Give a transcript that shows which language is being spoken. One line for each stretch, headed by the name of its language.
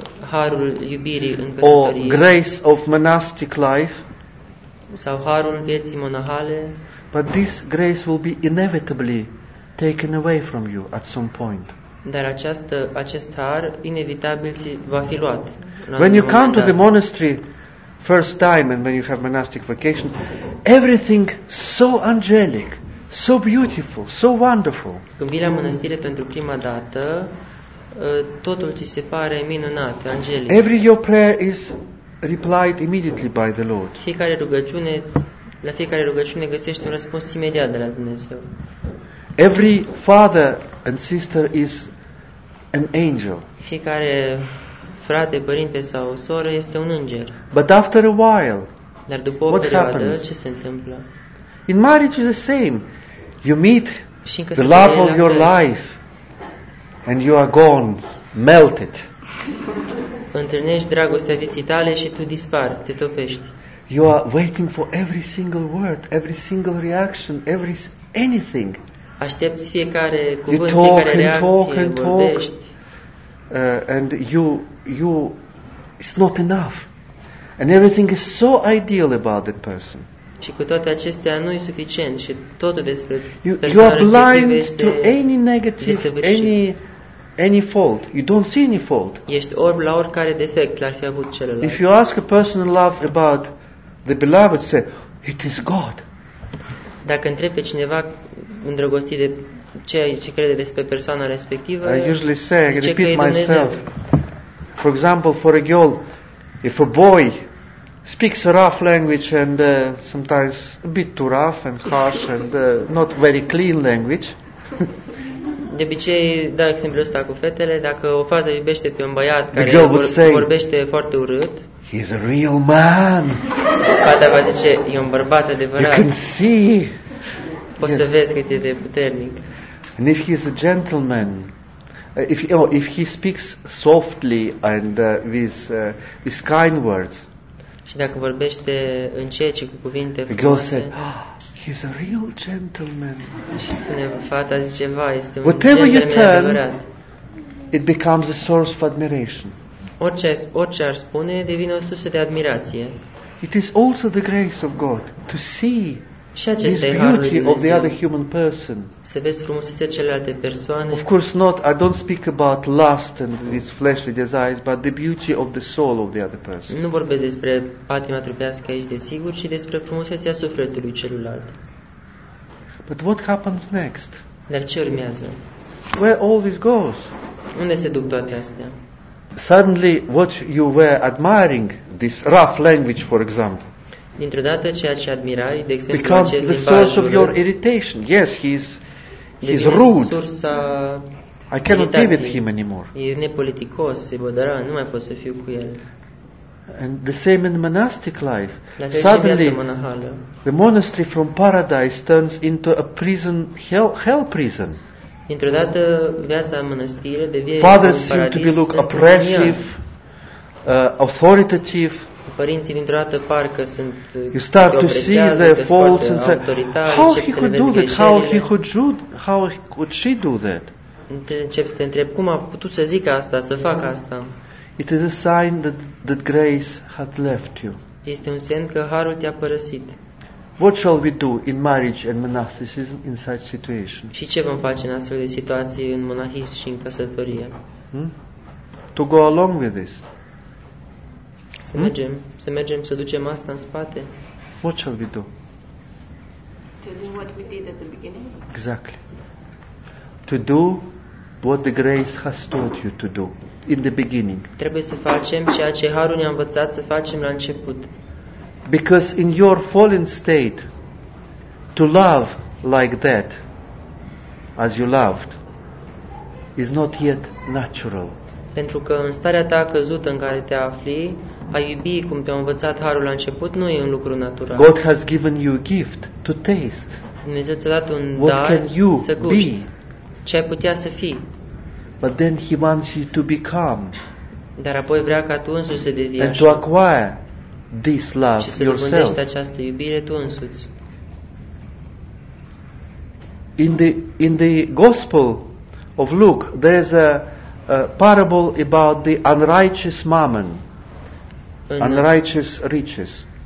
Romanian: Harul iubirii în căsătorie.
English: Or grace of monastic life.
Romanian: Sau harul vieții monahale.
English: But this grace will be inevitably taken away from you at some point.
Romanian: Dar acest har inevitabil va fi luat.
English: When you come to the monastery first time and when you have monastic vacation, everything so angelic, so beautiful, so wonderful.
Romanian: Când vii la mănăstire pentru prima dată, totul ți se pare minunat, angelic.
English: Every your prayer is replied immediately by the Lord.
Romanian: Fiecare rugăciune, la fiecare rugăciune găsești un răspuns imediat de la Dumnezeu.
English: Every father and sister is an angel.
Romanian: Fiecare frate, părinte sau soră este un înger.
English: But after a while,
Romanian: dar după o perioadă,
English: what happens?
Romanian: Ce se întâmplă?
English: In marriage is the same. You meet the love of your life and you are gone, melted.
Romanian: Întâlnești dragostea vieții tale și tu dispari, te topești.
English: You are waiting for every single word, every single reaction, every anything.
Romanian: Aștepți fiecare cuvânt, fiecare reacție, vorbești.
English: And you it's not enough. And everything is so ideal about that person.
Romanian: Și cu toate acestea nu e suficient și totul despre
English: you are blind to any negative, any fault. You don't see any fault.
Romanian: Ești orb la oricare defect l-ar fi avut celălalt.
English: If you ask a person in love about the beloved, say, it is God.
Romanian: Dacă întrebi pe cineva îndrăgostit de ce crede despre persoana respectivă,
English: I usually say, I repeat myself. For example, for a girl, if a boy speaks a rough language and sometimes a bit too rough and harsh and not very clean language.
Romanian: De obicei dau exemplul ăsta cu fetele, dacă o fată iubește pe un băiat care vorbește foarte urât,
English: he is a real man.
Romanian: Fata va zice, e un bărbat adevărat.
English: You can see.
Romanian: Poți să vezi cât e de puternic.
English: And if he is a gentleman, if he speaks softly and with kind words.
Romanian: Și dacă vorbește încet și cu cuvinte frumoase.
English: The girl said, oh, he's a real gentleman.
Romanian: Și spune fata, zice, vai, este un
English: gentleman
Romanian: adevărat.
English: Whatever you tell, it becomes a source of admiration.
Romanian: Orice ar spune devine o sursă de admirație.
English: It is also the grace of God to see.
Romanian: Și acesta e harul lui Dumnezeu.
English: Of the other human person.
Romanian: Să vezi frumusețea celelalte persoane.
English: Of course not. I don't speak about lust and these fleshly desires, but the beauty of the soul of the other person.
Romanian: Nu vorbesc despre patima trupească aici desigur, ci despre frumusețea sufletului celuilalt.
English: But what happens next?
Romanian: Dar ce urmează?
English: Where all this goes?
Romanian: Unde se duc toate astea?
English: Suddenly what you were admiring, this rough language, for example.
Romanian: Dintr-o dată ceea ce admirai, de exemplu,
English: becomes
Romanian: acest
English: the source of your irritation. Yes, he's rude.
Romanian: Sursa
English: I cannot be with him anymore.
Romanian: E nepoliticos, e bădăran, nu mai pot să fiu cu el.
English: And the same in the monastic life.
Romanian: La
English: suddenly, the monastery from paradise turns into a prison, hell prison.
Romanian: Dintr-o dată, viața în mănăstire devine
English: fathers seem to be look oppressive, authoritative.
Romanian: Părinții dintr-o dată parcă sunt
English: you start to see their faults and say, how he could do that? How he could judge? How could she do that?
Romanian: Începi să te întrebi cum a putut să zică asta, să facă asta.
English: It is a sign that grace hath left you.
Romanian: Este un semn că harul te-a părăsit.
English: What shall we do in marriage and monasticism in such situation?
Romanian: Și ce vom face în astfel de situații în monahism și în căsătorie?
English: To go along with this.
Romanian: Să mergem, să mergem, să ducem asta în spate.
English: What shall we do? To do what we did at the beginning. Exactly. To do what the grace has taught you to do in the beginning.
Romanian: Trebuie să facem ceea ce harul ne-a învățat să facem la început.
English: Because in your fallen state, to love like that, as you loved, is not yet natural.
Romanian: Pentru că în starea ta căzută în care te afli, a iubi cum te-a învățat harul la început nu e un lucru natural.
English: God has given you a gift to taste.
Romanian: Dumnezeu ți-a dat un
English: what
Romanian: dar
English: can you
Romanian: să gusti.
English: Be?
Romanian: Ce ai putea să fii?
English: But then he wants you to become.
Romanian: Dar apoi vrea ca tu însuți să devii
English: and
Romanian: așa.
English: To acquire this love
Romanian: și să dobândești această iubire tu însuți.
English: In the Gospel of Luke, there is a parable about the unrighteous mammon, unrighteous riches.